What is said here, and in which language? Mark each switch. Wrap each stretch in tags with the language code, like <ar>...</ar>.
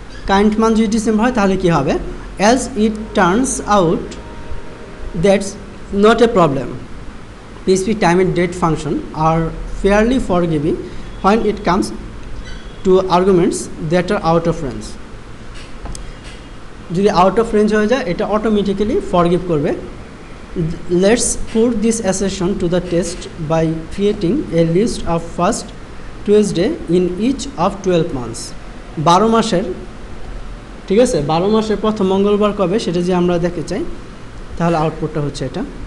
<bn>Current month যদি December হয় তাহলে কী হবে?</bn> <en>As it turns out that's not a problem, PHP time and date function are fairly forgiving when it comes to arguments that are out of range.</en> <bn>যদি out of range হয়ে যায় এটা automatically for give করবে।</bn> <en>Let's put this assertion to the test by creating a list of first Tuesday in each of 12 months.</en> <bn>12 মাসের, ঠিক আছে, 12 মাসের প্রথম মঙ্গলবার কবে সেটা যদি আমরা দেখতে চাই তাহলে আউটপুটটা হচ্ছে এটা।</bn>